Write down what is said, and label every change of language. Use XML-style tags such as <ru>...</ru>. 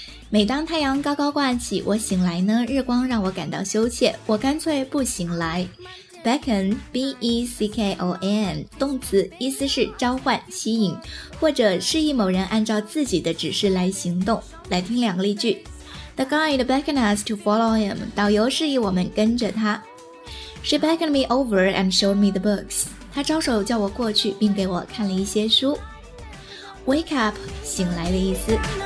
<zh>每当太阳高高挂起，我醒来呢，日光让我感到羞怯，我干脆不醒来。 Beckon, B-E-C-K-O-N, 动词，意思是召唤、吸引，或者示意某人按照自己的指示来行动。来听两个例句。</zh> <en>The guide beckoned us to follow him,</en> <zh>导游示意我们跟着他。</zh> <en>She beckoned me over and showed me the books.</en> <zh>他招手叫我过去，并给我看了一些书。Wake up, 醒来的意思。</zh>